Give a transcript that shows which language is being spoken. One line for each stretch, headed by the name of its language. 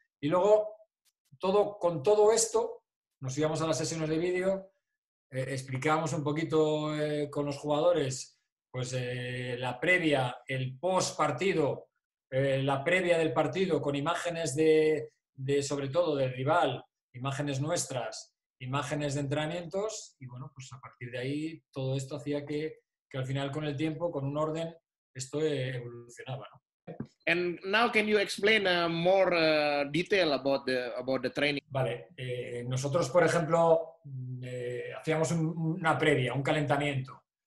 Spanish: Y luego, con todo esto, nos íbamos a las sesiones de vídeo, explicábamos un poquito con los jugadores, pues la previa, el post partido, la previa del partido, con imágenes de sobre todo del rival, imágenes nuestras, imágenes de entrenamientos, y bueno, pues a partir de ahí todo esto hacía que al final, con el tiempo, con un orden, esto evolucionaba, ¿no?
English: And now can you explain more detail about the training?
Spanish: Vale, nosotros, por ejemplo, hacíamos una previa, un calentamiento.